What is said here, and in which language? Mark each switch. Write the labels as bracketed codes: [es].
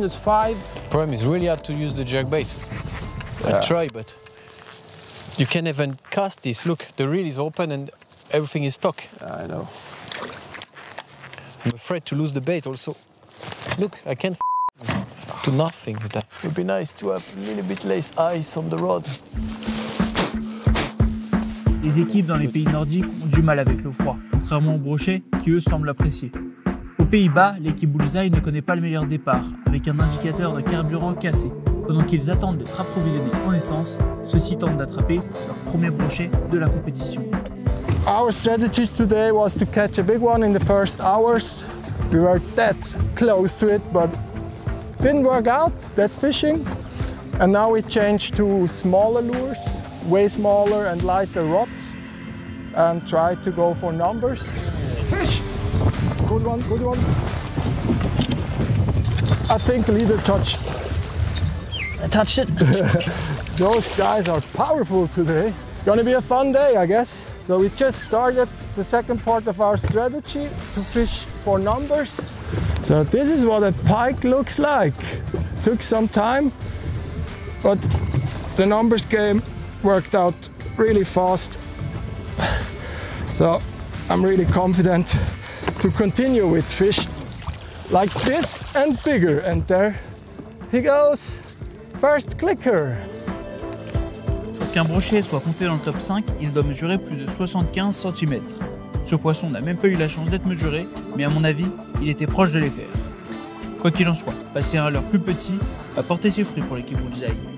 [en] The problem is really hard to use the jerk bait. Yeah. I try, but you can't even cast this. Look, the reel is open and everything is stuck. I know. I'm afraid to lose the bait also. Look, I can't do nothing with that. It would be nice to have a little bit less ice on the rod. [fr] Les équipes dans les pays nordiques ont du mal avec le froid, contrairement aux brochets qui eux semblent l'apprécier. Aux Pays-Bas, l'équipe Bullseye ne connaît pas le meilleur départ, avec un indicateur de carburant cassé. Pendant qu'ils attendent d'être approvisionnés en essence, ceux-ci tentent d'attraper leur premier brochet de la compétition. [en] Our strategy today was to catch a big one in the first hours. We were that close to it, but didn't work out. That's fishing. And now we change to smaller lures. Way smaller and lighter rods, and try to go for numbers. Fish! Good one, good one. I think leader touch. I touched it. Those guys are powerful today. It's gonna be a fun day, I guess. So we just started the second part of our strategy to fish for numbers. So this is what a pike looks like. Took some time, but the numbers game worked out really fast, so I'm really confident to continue with fish like this and bigger. And there he goes, first clicker. [fr] Pour qu'un brochet soit compté dans le top 5, il doit mesurer plus de 75 cm. Ce poisson n'a même pas eu la chance d'être mesuré, mais à mon avis, il était proche de les faire. Quoi qu'il en soit, passer un leur plus petit va porter ses fruits pour l'équipe Bullseye.